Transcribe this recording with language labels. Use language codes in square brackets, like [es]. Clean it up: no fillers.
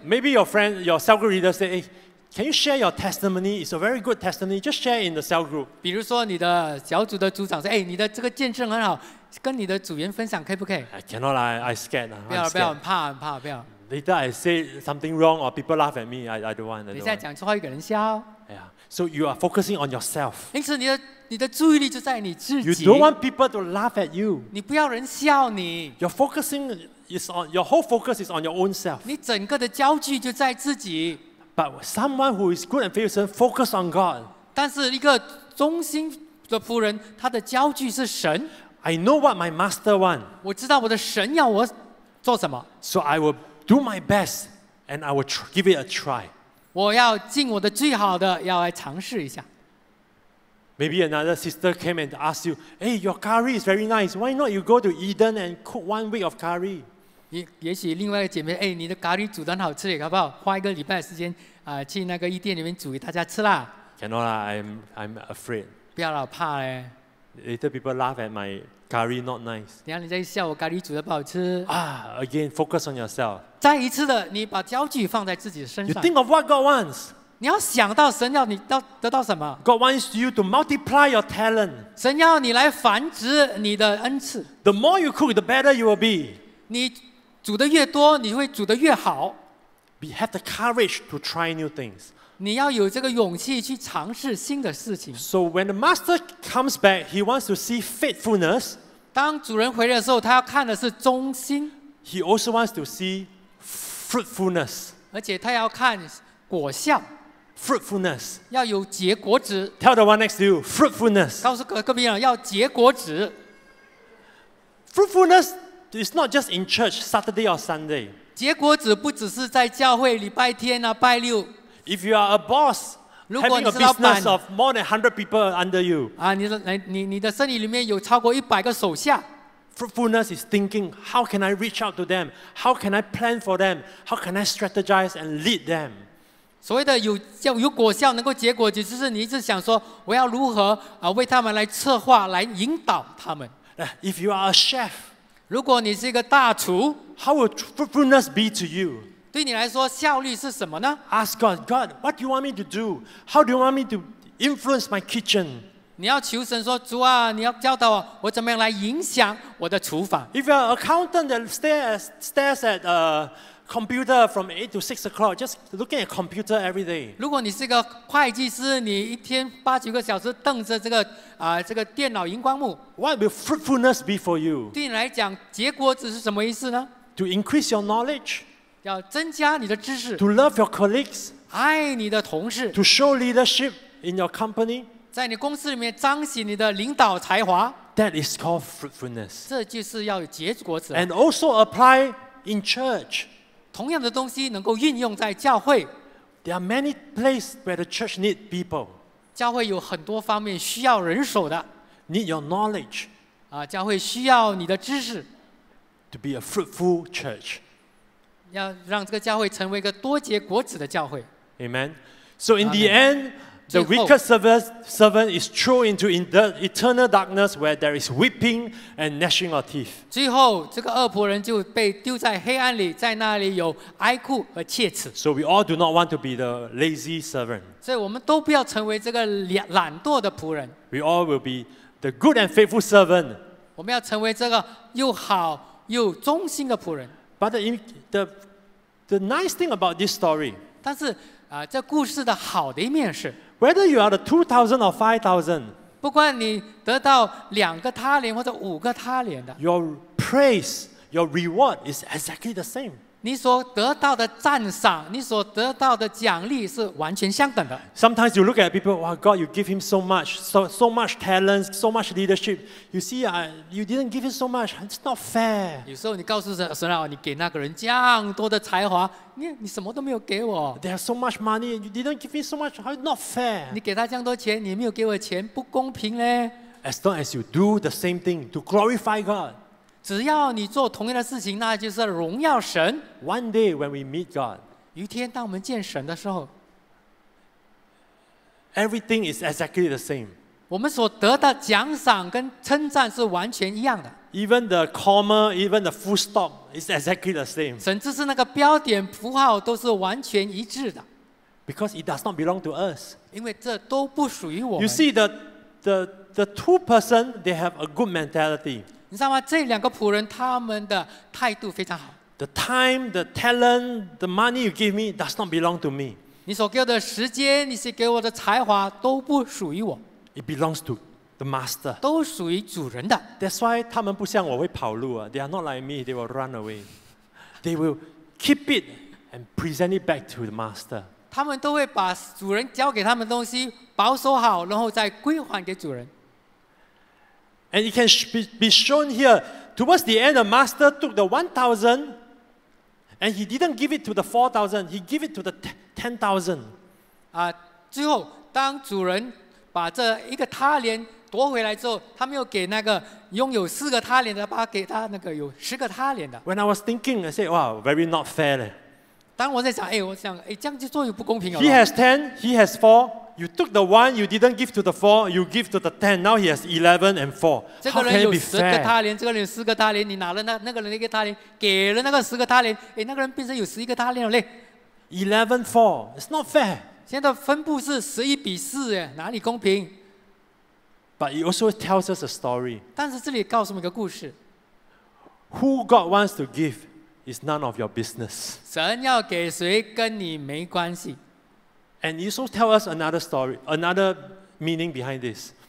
[en] Maybe your friend, your cell group leader say, hey, "Can you share your testimony? It's a very good testimony. Just share in the cell group." [zh] 比如说，你的小组的组长说，哎，你的这个见证很好，跟你的组员分享，可以不可以 [en] ？I cannot, I scared. [zh] 不要，不要，很怕，不要。 [en] Later I say something wrong or people laugh at me, I don't want. [zh] 你在讲错话，给人笑。 [en] Yeah. So you are focusing on yourself. [zh] 因此你的注意力就在你自己。 [en] You don't want people to laugh at you. [zh] 你不要人笑你。 [en] Your focusing is on your whole focus is on your own self. [zh] 你整个的焦距就在自己。 [en] But someone who is good and faithful focus on God. [zh] 但是一个忠心的仆人，他的焦距是神。 [en] I know what my master want. [zh] 我知道我的神要我做什么。 [en] So I will do my best, and I will give it a try. [zh] 我要尽我的最好的，要来尝试一下。 [en] Maybe another sister came and asked you, "Hey, your curry is very nice. Why not you go to Eden and cook 1 week of curry?" [zh] 也许另外一个姐妹，哎，你的咖喱煮得很好吃，好不好？花一个礼拜的时间，去那个伊甸里面煮给大家吃啦。 [en] Cannot, I'm afraid. [zh] 不要老怕嘞。 [en] Later people laugh at my curry not nice. [zh] 等下人家笑我咖喱煮得不好吃。 [en] Again, focus on yourself. [zh] 再一次的，你把焦距放在自己身上。 [en] You think of what God wants. [zh] 你要想到神要你得到什么。 [en] God wants you to multiply your talent. [zh] 神要你来繁殖你的恩赐。 [en] The more you cook, the better you will be. [zh] 你煮得越多，你会煮得越好。 [en] You have the courage to try new things. [zh] 你要有这个勇气去尝试新的事情。 [en] So when the master comes back, he wants to see faithfulness. [zh] 当主人回来的时候，他要看的是忠心。 [en] He also wants to see. Fruitfulness. [zh] 而且他要看果效。 [en] Fruitfulness. [zh] 要有结果子。 [en] Tell the one next to you, fruitfulness. [zh] 告诉各位要结果子。 [en] Fruitfulness is not just in church, Saturday or Sunday. [zh] 结果子不只是在教会礼拜天啊拜六。 [en] If you are a boss, having a business of more than 100 people under you. [zh] 啊，你的身体里面有超过100个手下。 [en] Fruitfulness is thinking, how can I reach out to them? How can I plan for them? How can I strategize and lead them? [zh] 所谓的有果效能够结果，就是你一直想说，我要如何为他们来策划，来引导他们。 [en] If you are a chef, [zh] 如果你是一个大厨， [en] how will fruitfulness be to you? [zh] 对你来说，效率是什么呢？ [en] Ask God, what do you want me to do? How do you want me to influence my kitchen? [zh] 你要求神说，主啊，你要教导我，我怎么样来影响我的厨房。 [en] If you're an accountant that stares at a computer from 8 to 6 o'clock, just looking at a computer every day. [zh] 如果你是个会计师，你一天八九个小时瞪着这个电脑荧光幕。 [en] What will fruitfulness be for you? [zh] 对你来讲，结果子是什么意思呢？ [en] To increase your knowledge. [zh] 要增加你的知识。 [en] To love your colleagues. [zh] 爱你的同事。 [en] To show leadership in your company. [zh] 在你公司里面彰显你的领导才华， [en] That is called fruitfulness. [zh] 这就是要有结果子。 [en] And also apply in church. [zh] 同样的东西能够运用在教会。 [en] There are many places where the church need people. [zh] 教会有很多方面需要人手的。 [en] Need your knowledge. [zh] 教会需要你的知识。 [en] To be a fruitful church. [zh] 要让这个教会成为一个多结果子的教会。 [en] Amen. So in the end, The wicked servant is thrown into the eternal darkness where there is weeping and gnashing of teeth. [zh] 最后，这个恶仆人就被丢在黑暗里，在那里有哀哭和切齿。 [en] So we all do not want to be the lazy servant. [zh] 所以我们都不要成为这个懒惰的仆人。 [en] We all will be the good and faithful servant. [zh] 我们要成为这个又好又忠心的仆人。 [en] But the nice thing about this story. [zh] 但是啊，这故事的好的一面是。 [en] Whether you are the 2,000 or 5,000, [zh] 不管你得到两个他连或者五个他连的 [en] ，your praise, your reward is exactly the same. [zh] 你所得到的赞赏，你所得到的奖励是完全相等的。 [en] Sometimes you look at people, wow, God, you give him so much talents, so much leadership. You see, you didn't give him so much. It's not fair. [zh] 有时候你告诉神啊，你给那个人这样多的才华。你什么都没有给我。 [en] There are so much money, you didn't give me so much. How not fair? [zh] 你给他这样多钱，你没有给我钱，不公平嘞。 [en] As long as you do the same thing to glorify God, [zh] 只要你做同样的事情，那就是荣耀神。 [en] One day when we meet God, [zh] 有一天当我们见神的时候 [en] ，everything is exactly the same. [zh] 我们所得的奖赏跟称赞是完全一样的。 [en] Even the comma, even the full stop, is exactly the same. [zh] 甚至是那个标点符号都是完全一致的。 [en] Because it does not belong to us. [zh] 因为这都不属于我们。 [en] You see the two person, they have a good mentality. [zh] 你知道吗？这两个仆人他们的态度非常好。 [en] The time, the talent, the money you give me does not belong to me. [zh] 你所给我的时间，你所给我的才华都不属于我。 [en] It belongs to the master. [zh] 都属于主人的。 [en] That's why [zh] 他们不像我会跑路啊。 [en] They are not like me. They will run away. They will keep it and present it back to the master. [zh] 他们都会把主人交给他们的东西保守好，然后再归还给主人。 [en] And it can be shown here. Towards the end, the master took the 1,000 and he didn't give it to the 4,000. He gave it to the 10,000. [zh] 啊，最后当主人把这一个他连夺回来之后，他没有给那个拥有四个他连的，把给他那个有十个他连的。 [en] When I was thinking, I said, "Wow, very not fair." 嘞。 [zh] 当我在想，哎，我想，哎，这样就做有不公平 [en] 了。He has 10, he has 4. You took the 1, you didn't give to the 4, you give to the 10. Now he has 11 and 4. How can it be fair? [zh] 这个人有十个他连，这个人有四个他连，你拿了那个人的一个他连，给了那个十个他连，哎，那个人变成有十一个他连了嘞。 [en] 11 4, it's not fair. [zh] 现在分布是11:4，哎，哪里公平？ [en] But it also tells us a story. [zh] 但是这里告诉我们一个故事。 [en] Who God wants to give is none of your business. [zh] 神要给谁跟你没关系。 [en] And it also tells us another story, another meaning behind this.